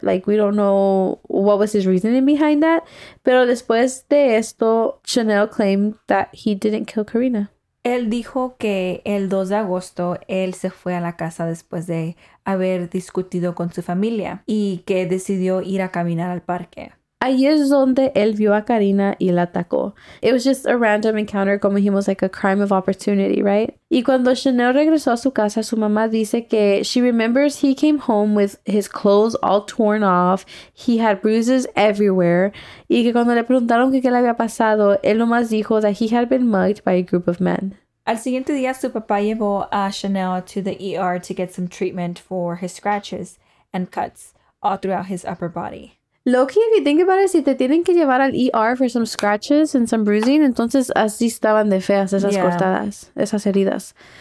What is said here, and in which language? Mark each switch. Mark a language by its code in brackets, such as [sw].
[en] Like, we don't know what was his reasoning behind that. [es] Pero después de esto, [en] Chanel claimed that he didn't kill Karina. [es] Él dijo que el 2 de agosto, él se fue a la casa después de haber discutido con su familia y que decidió ir a caminar al parque. Ahí es donde él vio a Karina y la atacó. [en] It was just a random encounter, [es] como dijimos, [en] like a crime of opportunity, right? [es] Y cuando Chanel regresó a su casa, su mamá dice que [en] she remembers he came home with his clothes all torn off. He had bruises everywhere. [es] Y que cuando le preguntaron qué le había pasado, él nomás dijo [en] that he had been mugged by a group of men. [es] Al siguiente día, su papá llevó a [en] Chanel to the ER to get some treatment for his scratches and cuts all throughout his upper body. [es] Loki, [en] if you think about it, [es] si te tienen que llevar al [en] ER for some scratches and some bruising, [es] entonces así estaban de feas esas cortadas, esas heridas.